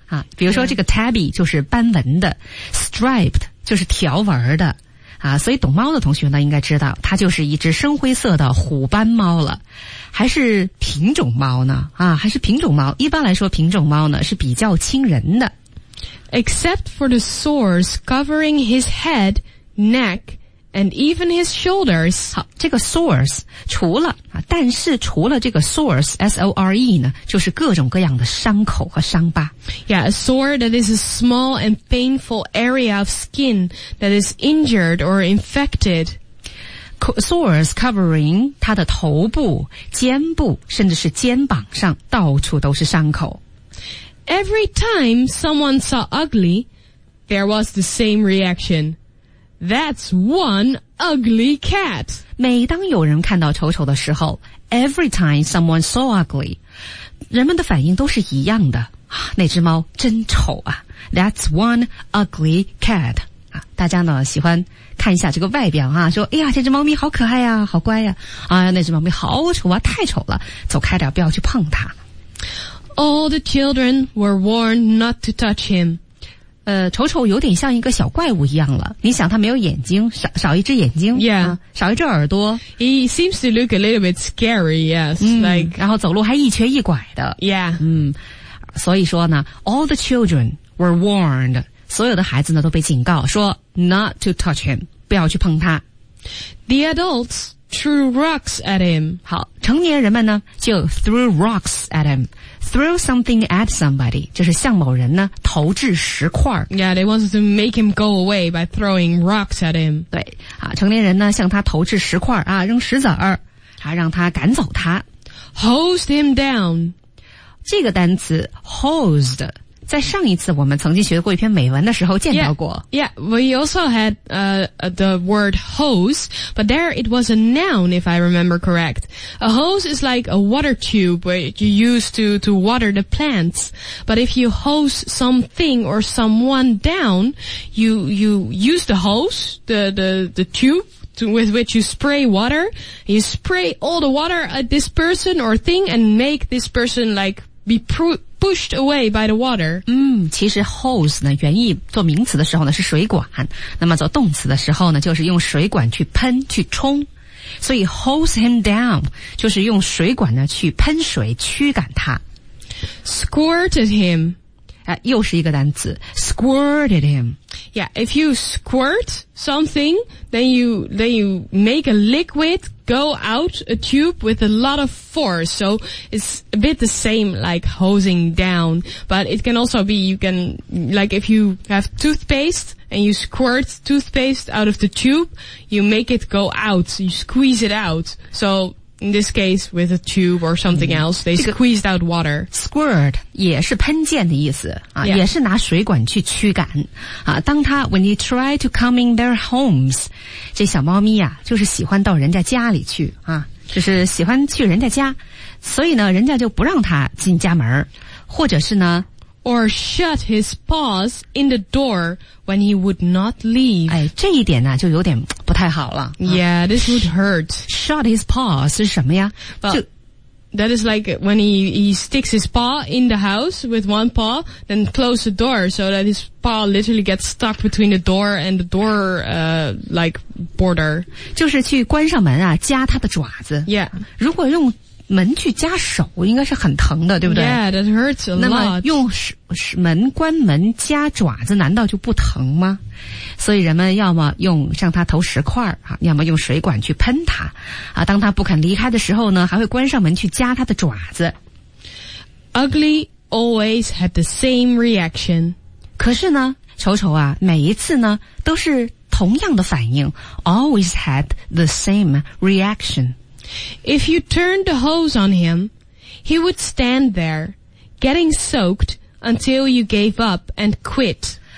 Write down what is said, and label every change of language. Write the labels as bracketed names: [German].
[Chinese] 啊比如说这个 tabby 就是斑纹的 ,striped 就是条纹的。啊所以懂猫的同学呢应该知道它就是一只深灰色的虎斑猫了。还是品种猫呢啊还是品种猫。一般来说品种猫呢是比较亲人的。 [English] Except for the sores covering his head, neck,And even his shoulders. [Chinese] 好这个 sores, 除了这个 sores, S-O-R-E 呢就是各种各样的伤口和伤疤。 [English] Yeah, a sore that is a small and painful area of skin that is injured or infected. Sores covering [Chinese] 它的头部、肩部甚至是肩膀上到处都是伤口。 [English] Every time someone saw ugly, there was the same reaction. That's one ugly cat. [Chinese] 每当有人看到丑丑的时候 , [English] every time someone saw ugly, [Chinese] 人们的反应都是一样的。那只猫真丑啊。 [English] That's one ugly cat. [Chinese] 大家呢喜欢看一下这个外表啊说哎呀这只猫咪好可爱啊好乖啊。哎呀那只猫咪好丑啊太丑了走开点不要去碰它。 [English] All the children were warned not to touch him. [Chinese] 丑丑有点像一个小怪物一样了。你想他没有眼睛 少一只眼睛。 [English] Yeah. [Chinese] 少一只耳朵。 [English] He seems to look a little bit scary, yes. [Chinese] 然后走路还一瘸一拐的。 [English] Yeah. [Chinese] 所以说呢 , [English] all the children were warned, [Chinese] 所有的孩子呢都被警告说 [English] not to touch him, [Chinese] 不要去碰他。 [English] The adults threw rocks at him. [Chinese] 好成年人们呢就 [English] threw rocks at him. Throw something at somebody, [Chinese] 就是向某人呢投掷石块。 [English] Yeah, they wanted to make him go away by throwing rocks at him. [Chinese] 对，成年人呢向他投掷石块啊，扔石子儿。啊，让他赶走他。 [English] Hosed him down. [Chinese] 这个单词 hosed 在上一次我们曾经学过一篇美文的时候见到过。 [English] Yeah, we also had the word hose, but there it was a noun if I remember correct. A hose is like a water tube which you use to water the plants. But if you hose something or someone down, you use the hose, the tube,with which you spray water, you spray all the water at this person or thing and make this person like be pushed away by the water. [Chinese] 其实 hose 呢原意做名词的时候呢是水管，那么做动词的时候呢就是用水管去喷去冲，所以 [English] hose him down [Chinese] 就是用水管呢去喷水驱赶他。 [English] Squirted him. [Chinese] 又是一个单词 [English] squirted him. Yeah, if you squirt something, then you make a liquid go out a tube with a lot of force. So it's a bit the same like hosing down, but it can also be, you can, like if you have toothpaste and you squirt toothpaste out of the tube, you make it go out, you squeeze it out. So,In this case, with a tube or something else, they squeezed out water. [Chinese] Squirt 也是喷溅的意思、 [English] yeah. [Chinese] 也是拿水管去驱赶、当他 [English] when you try to come in their homes, [Chinese] 这小猫咪啊就是喜欢到人家家里去、就是喜欢去人家家，所以呢人家就不让他进家门，或者是呢 [English] or shut his paws in the door when he would not leave. [Chinese] 哎，这一点呢就有点不太好了、 [English] Yeah, this would hurt. Shut his paw [Chinese] 是什么呀？ [English] Well, that is like when he sticks his paw in the house with one paw, then close the door so that his paw literally gets stuck between the door and the door, like border. [Chinese] 就是去关上门啊，夹他的爪子。 [English] Yeah. [Chinese] 如果用门去夹手应该是很疼的，对不对？ [English] Yeah, that hurts a lot. [Chinese] 那么用门关门夹爪子难道就不疼吗？所以人们要么用向他投石块、要么用水管去喷他、当他不肯离开的时候呢还会关上门去夹他的爪子。 [English] Ugly always had the same reaction. [Chinese] 可是呢丑丑啊每一次呢都是同样的反应， [English] always had the same reaction. If you turned the hose on him, he would stand there, getting soaked until you gave up and quit.